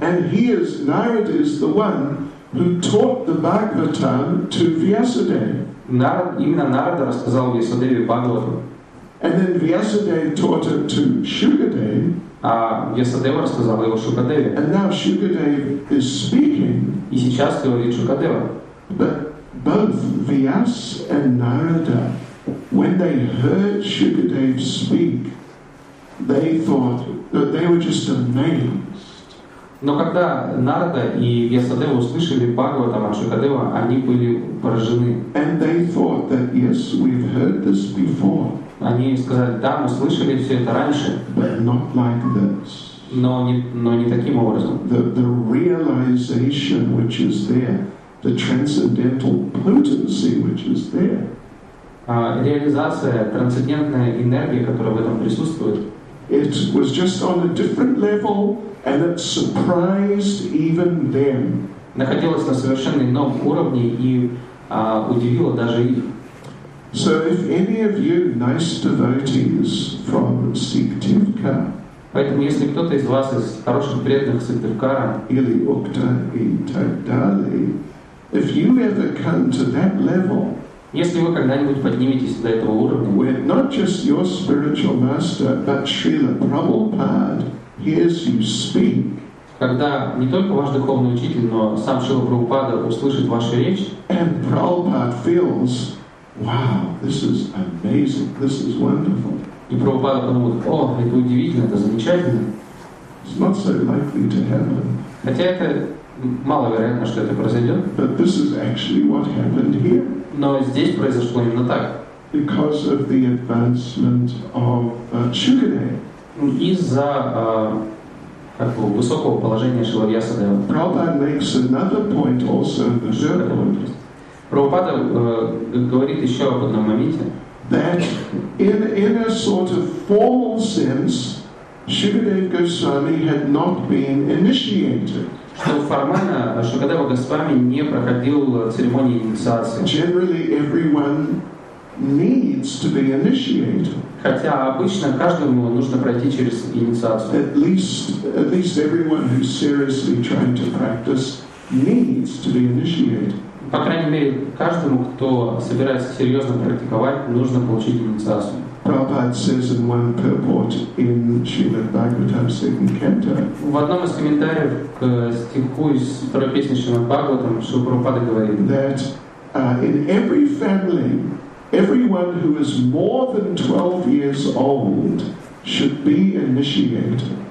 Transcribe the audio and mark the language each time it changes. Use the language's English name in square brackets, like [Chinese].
[English] And he is, Narada is the one who taught the Bhagavatam to Vyasadeva. [Russian] Именно Нарада рассказал Вьясадеве Бхагавату. [English] And then Vyasadeva taught it to Shukadeva. [Russian] А Вьясадева рассказал его Шукадеве. [English] And now Shukadeva is speaking. [Russian] И сейчас говорит Шукадева. [English] But both Vyas and Narada, when they heard Shukadeva speak, they thought that they were just amazed. [Russian] Но когда Нарада и Вьясадева услышали Бхагаватам от Шукадева, они были поражены. [English] And they thought that yes, we've heard this before. [Russian] Они сказали: да, мы слышали все это раньше. [English] But not like this. [Russian] Но не таким образом. [English] The realization which is there, the transcendental potency which is there. [Russian] Реализация трансцендентной энергии, которая в этом присутствует. [English] It was just on a different level, and it surprised even them. [Russian] Находилось на совершенно ином уровне и удивило даже их. [English] So, if any of you nice devotees from Сыктывкар, [Russian] поэтому если кто-то из вас из хороших преданных Сыктывкара, или Укта и так далее, [English] if you ever come to that level. [Russian] Если вы когда-нибудь подниметесь до этого уровня, [English] where not just your spiritual master, but Srila Prabhupada hears you speak, [Russian] когда не только ваш духовный учитель, но сам Шрила Прабхупада услышит вашу речь, [English] and Prabhupada feels, wow, this is amazing, this is wonderful. [Russian] И Прабхупада подумает: о, это удивительно, это замечательно. [English] It's not so likely to happen. [Russian] Хотя это маловероятно, что это произойдет. [English] But this is actually what happened here. [Russian] Но здесь произошло именно так. [English] Because of the advancement of Shukadev. [Russian] Из-за высокого положения Шрила Вьясадева. [English] Prabhupada makes another point also in the third. [Russian] Прабхупада говорит еще об одном моменте. [English] That in a sort of formal sense, Shukadev Goswami had not been initiated. [Russian] Что формально Шукадева Госвами не проходил церемонии инициации. [English] Generally everyone needs to be initiated. [Russian] Хотя обычно каждому нужно пройти через инициацию. [English] At least everyone who's seriously trying to practice needs to be initiated. [Russian] По крайней мере, каждому, кто собирается серьезно практиковать, нужно получить инициацию. [English] Prabhupada says in one purport in Srimad Bhagavatam, second canto. [Russian] В одном из комментариев к стиху из второй песни Шримад Бхагаватам, что Прабхупада говорит. [English] That in every family, everyone who is more than 12 years old should be initiated.